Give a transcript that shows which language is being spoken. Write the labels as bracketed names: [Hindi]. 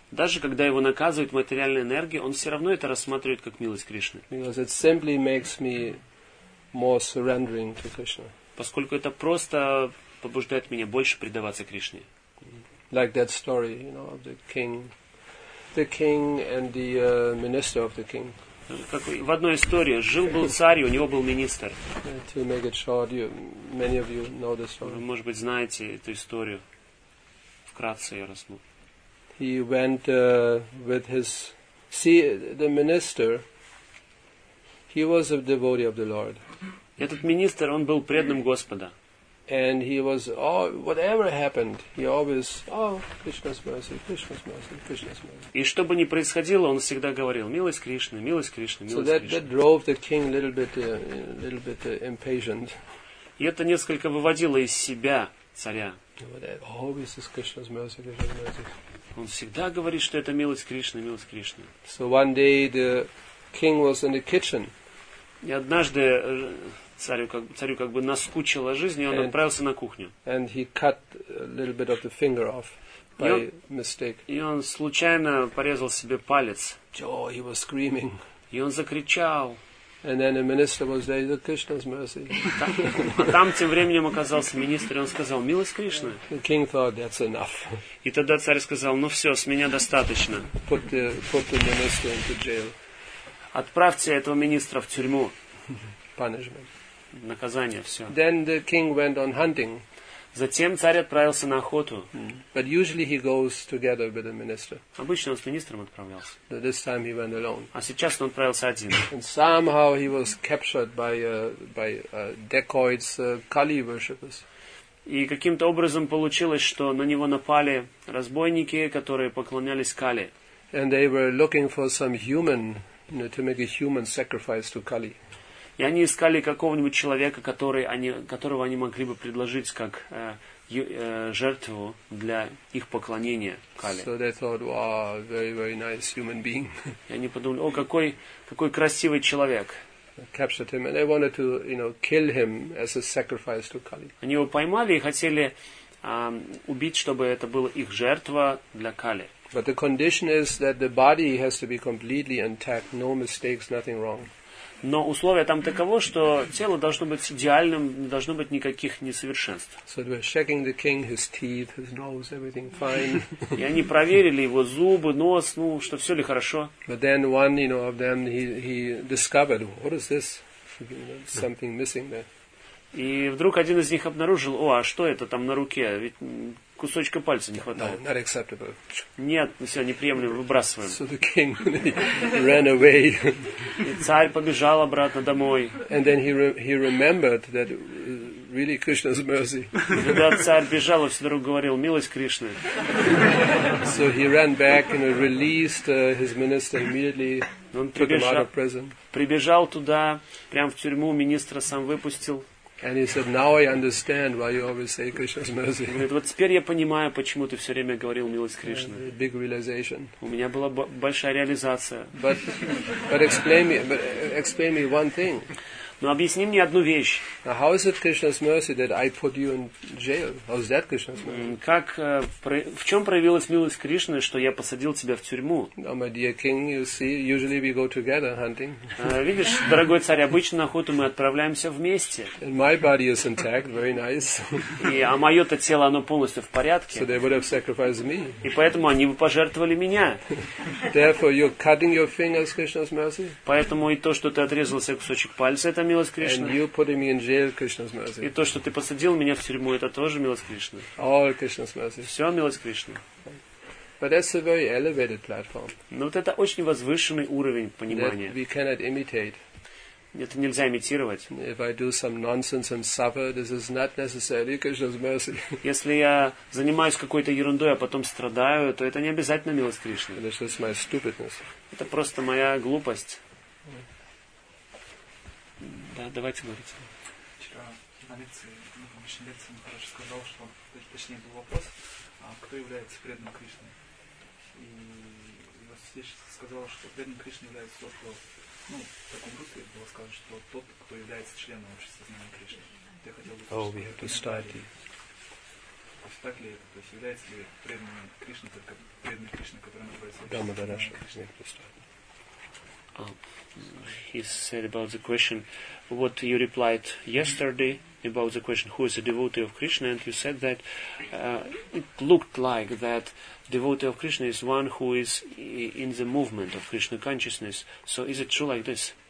[Russian] Даже когда его наказывают материальной энергией, он все равно это рассматривает как милость Кришны. [English] Because it simply makes me more surrendering to Krishna. [Russian] Поскольку это просто побуждает меня больше предаваться Кришне. [English] Like that story, you know, of the king and the minister of the king. [Russian] Как в одной истории, жил-был царь, и у него был министр. [English] To make it short, many of you know the story. [Russian] Вы, может быть, знаете эту историю. Вкратце я рассмотрю. [English] He went with his... See, the minister, he was a devotee of the Lord. [Russian] Этот министр, он был преданным Господа. [English] And he was, oh, whatever happened, he always, oh, Krishna's mercy, Krishna's mercy, Krishna's mercy. [Russian] И что бы ни происходило, он всегда говорил, милость Кришны, милость Кришны, милость Кришны. [English] So that drove the king a little bit impatient. [Russian] И это несколько выводило из себя царя. [English] Always is Krishna's mercy, Krishna's mercy. [Russian] Он всегда говорит, что это милость Кришны, милость Кришны. [English] So one day the king was in the kitchen. [Russian] И однажды царю как бы наскучила жизнь, и он отправился на кухню. [English] And he cut a little bit of the finger off by mistake. [Russian] И он случайно порезал себе палец. [English] Oh, he was screaming. [Russian] И он закричал. [English] And then the minister was there, the Krishna's mercy. [Russian] А там тем временем оказался министр, и он сказал, милость Кришны. [English] The king thought that's enough. [Russian] И тогда царь сказал, ну все, с меня достаточно. [English] Put the minister into jail. [Russian] Отправьте этого министра в тюрьму. [English] Punishment. [Russian] Наказание, все. [English] Then the king went on hunting. [Russian] Затем царь отправился на охоту. [English] But usually he goes together with the minister. [Russian] Обычно он с министром отправлялся. [English] But this time he went alone. [Russian] А сейчас он отправился один. [English] And somehow he was captured by dacoits, Kali worshippers. [Russian] И каким-то образом получилось, что на него напали разбойники, которые поклонялись Кали. [English] And they were looking for some human, you know, to make a human sacrifice to Kali. [Russian] И они искали какого-нибудь человека, которого они могли бы предложить как жертву для их поклонения Кали. [English] So they thought, wow, very, very nice human being. [Russian] И они подумали, о, какой красивый человек. [English] Captured him, and they wanted to, you know, kill him as a sacrifice to Kali. [Russian] Они его поймали и хотели убить, чтобы это была их жертва для Кали. [English] But the condition is that the body has to be completely intact, no mistakes, nothing wrong. [Russian] Но условие там таково, что тело должно быть идеальным, не должно быть никаких несовершенств. [English] So they were checking the king, his teeth, his nose, everything fine. [Russian] И они проверили его зубы, нос, ну, что все ли хорошо. [English] But then one, you know, of them, he discovered, what is this? Something missing there. [Russian] И вдруг один из них обнаружил, о, а что это там на руке? Ведь кусочка пальца не хватает. [English] No, not acceptable. [Russian] Нет, все, неприемлемо, выбрасываем. [English] So the king ran away. [Russian] И царь побежал обратно домой. [English] And then he remembered that really Krishna's mercy. [Russian] Когда царь бежал, он вдруг говорил, милость Кришны. [English] So he ran back and released his minister immediately. [Russian] Он прибежал туда, прямо в тюрьму, министра сам выпустил. [English] And he said, "Now I understand why you always say Krishna's mercy." [Russian] Вот теперь я понимаю, почему ты все время говорил милость Кришны. [English] Big realization. [Russian] У меня была большая реализация. [English] But explain me one thing. [Russian] Но объясни мне одну вещь. [English] Now, how is it Krishna's mercy that I put you in jail? How is that Krishna's mercy? [Russian] Как в чем проявилась милость Кришны, что я посадил тебя в тюрьму? [English] Now, my dear king, you see, usually we go together hunting. [Russian] Видишь, дорогой царь, обычно на охоту мы отправляемся вместе. [English] And my body is intact, very nice. [Russian] А мое-то тело, оно полностью в порядке. [English] So they would have sacrificed me. [Russian] И поэтому они бы пожертвовали меня. [English] Therefore, you're cutting your fingers, Krishna's mercy. [Russian] Поэтому и то, что ты отрезал себе кусочек пальца, это милость Кришны. [English] And you put me in jail, Krishna's mercy. [Russian] И то, что ты посадил меня в тюрьму, это тоже милость Кришны. [English] All Krishna's mercy. [Russian] Все милость Кришны. [English] But that's a very elevated platform. [Russian] Но вот это очень возвышенный уровень понимания. [English] That we cannot imitate. [Russian] Это нельзя имитировать. [English] If I do some nonsense and suffer, this is not necessarily Krishna's mercy. [Russian] Если я занимаюсь какой-то ерундой, а потом страдаю, то это не обязательно милость Кришны. [English] This is my stupidness. [Russian] Это просто моя глупость. Да, давайте говорите. Вчера на лекции, на помощной лекции, Махарадж сказал, что, точнее, был вопрос, кто является преданным Кришной. И Васильевич сказал, что преданным Кришной является тот, кто, ну, в таком русле было сказано, что тот, кто является членом общества знания Кришны. Я хотел бы сказать, что это не то. То есть так ли это? То есть является ли преданным Кришной только преданный Кришна, который называется Дама Дараша, не представляет. [English] He said about the question, what you replied yesterday about the question, who is a devotee of Krishna, and you said that it looked like that devotee of Krishna is one who is in the movement of Krishna consciousness. So is it true like this?